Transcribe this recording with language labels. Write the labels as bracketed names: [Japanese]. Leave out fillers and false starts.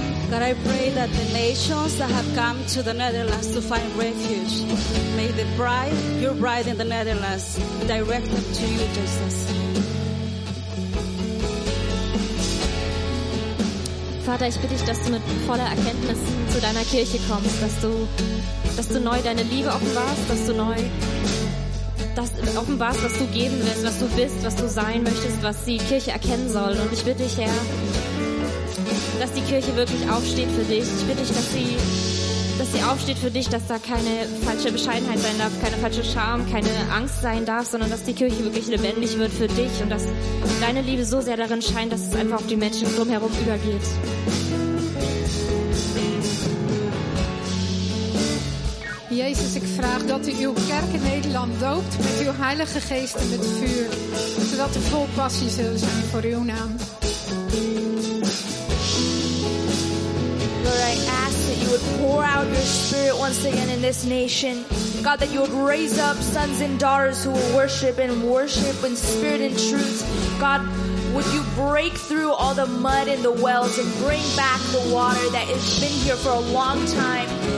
[English] God, I pray that the nations that have come to the Netherlands to find refuge, may the bride, your bride in the Netherlands, direct them to you, Jesus. [German] Vater, ich bitte dich, dass du mit voller Erkenntnis zu deiner Kirche kommst, dass du neu deine Liebe offenbarst, dass du neu das offenbarst, was du geben willst, was du bist, was du sein möchtest, was die Kirche erkennen soll. Und ich bitte dich, Herr, dass die Kirche wirklich aufsteht für dich. Ich bitte dich, dass sie aufsteht für dich, dass da keine falsche Bescheidenheit sein darf, keine falsche Scham, keine Angst sein darf, sondern dass die Kirche wirklich lebendig wird für dich und dass deine Liebe so sehr darin scheint, dass es einfach auf die Menschen drumherum übergeht. [Dutch] Jezus, ik vraag dat u uw kerk in Nederland doopt met uw heilige geest en met vuur, zodat er vol passie zullen zijn voor uw naam. [English] Lord, I ask that you would pour out your spirit once again in this nation. God, that you would raise up sons and daughters who will worship and worship in spirit and truth. God, would you break through all the mud in the wells and bring back the water that has been here for a long time.